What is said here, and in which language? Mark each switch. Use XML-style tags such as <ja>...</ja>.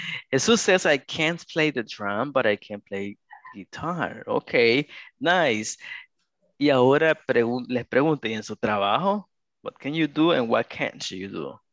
<en>Jesus says I can't play the drum, but I can play guitar. Okay, nice.</en> <es>Y ahora les pregunto, ¿y en su trabajo?</es> <en>What can you do and what can't you do?</en>